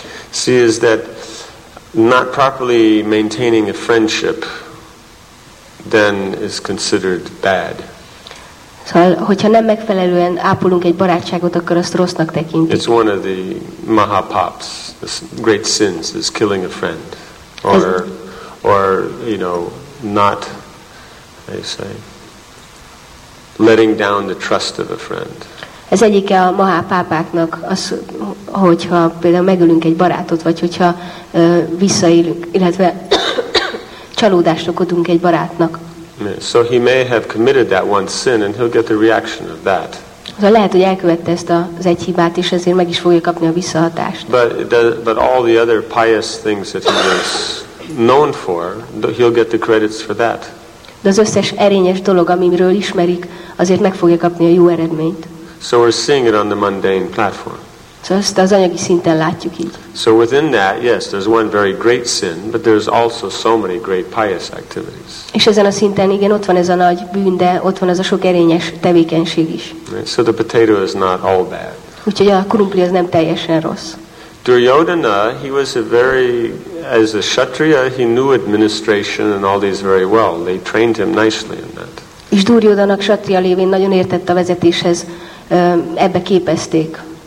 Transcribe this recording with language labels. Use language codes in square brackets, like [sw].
[en] See, is that not properly maintaining a friendship then is considered bad. [hu] Szóval, hogyha nem megfelelően ápolunk egy barátságot, akkor azt rossznak tekintik. [en] It's one of the mahapaps, the great sins, is killing a friend. Or, you know, not, how you say, letting down the trust of a friend. [hu] Ez egyike a mahapápáknak, az, hogyha például megölünk egy barátot, vagy hogyha visszaélünk, illetve csalódást okodunk egy barátnak. [en] So he may have committed that one sin, and he'll get the reaction of that. [hu] De lehet, hogy elkövette ezt az egy hibát, és ezért meg is fogja kapni a visszahatást. [en] But all the other pious things that he was known for, he'll get the credits for that. [hu] De az összes erényes dolog, amiről ismerik, azért meg fogja kapni a jó eredményt. [en] So we're seeing it on the mundane platform. [hu] Szóval ezt az anyagi szinten látjuk így. [en] So within that, yes, there's one very great sin, but there's also so many great pious activities. [hu] És ezen a szinten igen, ott van ez a nagy bűn, de ott van ez a sok erényes tevékenység is. [en] Right, so the potato is not all bad. [hu] Úgyhogy a krumpli az nem teljesen rossz. [en] Duryodhana, he was a very, as a kshatriya, he knew administration and all these very well. They trained him nicely in that. [hu] És Duryodhana kshatriya lévén nagyon értett a vezetéshez, ebbe képezték.